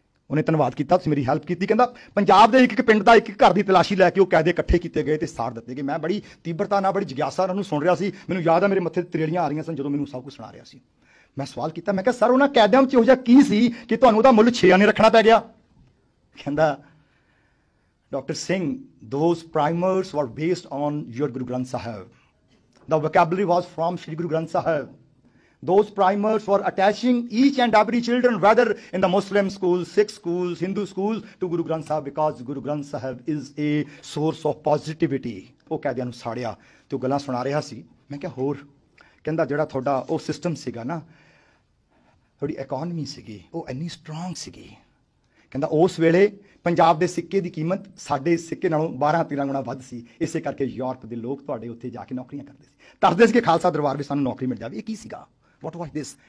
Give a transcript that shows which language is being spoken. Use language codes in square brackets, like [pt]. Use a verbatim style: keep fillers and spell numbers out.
[pa] ਉਹਨੇ ਧੰਨਵਾਦ ਕੀਤਾ, ਤੁਸੀਂ ਮੇਰੀ ਹੈਲਪ ਕੀਤੀ। ਕਹਿੰਦਾ ਪੰਜਾਬ ਦੇ ਇੱਕ ਇੱਕ ਪਿੰਡ ਦਾ ਇੱਕ ਇੱਕ ਘਰ ਦੀ ਤਲਾਸ਼ੀ ਲੈ ਕੇ ਉਹ ਕੈਦੇ ਇਕੱਠੇ ਕੀਤੇ ਗਏ ਤੇ ਸਾੜ ਦਿੱਤੇ ਗਏ। ਮੈਂ ਬੜੀ ਤੀਬਰਤਾ ਨਾਲ, ਬੜੀ ਜਗਿਆਸਾ ਨਾਲ ਉਹਨੂੰ ਸੁਣ ਰਿਹਾ ਸੀ। ਮੈਨੂੰ ਯਾਦ ਆ ਮੇਰੇ ਮੱਥੇ 'ਤੇ ਤਰੇੜੀਆਂ ਆ ਰਹੀਆਂ ਸਨ ਜਦੋਂ ਮੈਨੂੰ ਸਭ ਕੁਝ ਸੁਣਾ ਰਿਹਾ ਸੀ। ਮੈਂ ਸਵਾਲ ਕੀਤਾ, ਮੈਂ ਕਿਹਾ ਸਰ ਉਹਨਾਂ ਕੈਦਾਂ 'ਚ ਇਹੋ ਜਿਹਾ ਕੀ ਸੀ ਕਿ ਤੁਹਾਨੂੰ ਉਹਦਾ ਮੁੱਲ ਛੇ ਆਨੇ ਰੱਖਣਾ ਪੈ ਗਿਆ। ਕਹਿੰਦਾ [en] Doctor Singh, those primers were based on your Guru Granth Sahib. The vocabulary was from Shri Guru Granth Sahib. those primers for attaching each and every children, whether in the Muslim schools, Sikh schools, Hindu schools, to Guru Granth Sahib, because Guru Granth Sahib is a source of positivity. [pa] ਉਹ ਕਹਦਿਆਂ ਨੂੰ ਸਾੜਿਆ ਤੇ ਉਹ ਗੱਲਾਂ ਸੁਣਾ ਰਿਹਾ ਸੀ। ਮੈਂ ਕਿਹਾ ਹੋਰ, ਕਹਿੰਦਾ ਜਿਹੜਾ ਤੁਹਾਡਾ ਉਹ ਸਿਸਟਮ ਸੀਗਾ ਨਾ, ਤੁਹਾਡੀ ਇਕੋਨਮੀ ਸੀਗੀ, ਉਹ ਇੰਨੀ ਸਟਰੋਂਗ ਸੀਗੀ। ਕਹਿੰਦਾ ਉਸ ਵੇਲੇ ਪੰਜਾਬ ਦੇ ਸਿੱਕੇ ਦੀ ਕੀਮਤ ਸਾਡੇ ਸਿੱਕੇ ਨਾਲੋਂ ਬਾਰਾਂ ਤੇਰਾਂ ਗੁਣਾ ਵੱਧ ਸੀ, ਇਸੇ ਕਰਕੇ ਯੂਰਪ ਦੇ ਲੋਕ ਤੁਹਾਡੇ ਉੱਥੇ ਜਾ ਕੇ ਨੌਕਰੀਆਂ ਕਰਦੇ ਸੀ, ਤਰਦੇ ਸੀ ਕਿ ਖਾਲਸਾ ਦਰਬਾਰ ਵਿੱਚ ਸਾਨੂੰ ਨੌਕਰੀ ਮਿਲ ਜਾਵੇ। ਇਹ ਕੀ ਸੀਗਾ? [en] What was this?